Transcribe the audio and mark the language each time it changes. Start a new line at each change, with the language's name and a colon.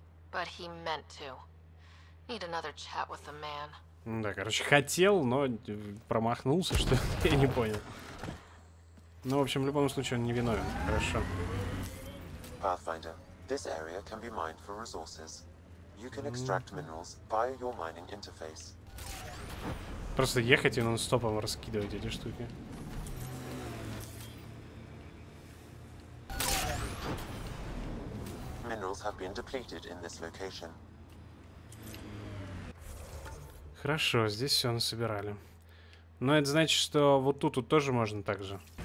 English: But he meant to. Need another chat with the man.
Russian: Ну да, короче, хотел, но промахнулся, что я не понял. Ну, в общем, в любом случае, он не виновен. Хорошо.
English: Pathfinder, this area can be mined for resources. You can extract minerals via your mining interface.
Russian: Просто ехать и нон-стопом раскидывать эти штуки.
English: Minerals have been depleted in this location.
Russian: Хорошо, здесь все насобирали. Но это значит, что вот тут вот тоже можно так же.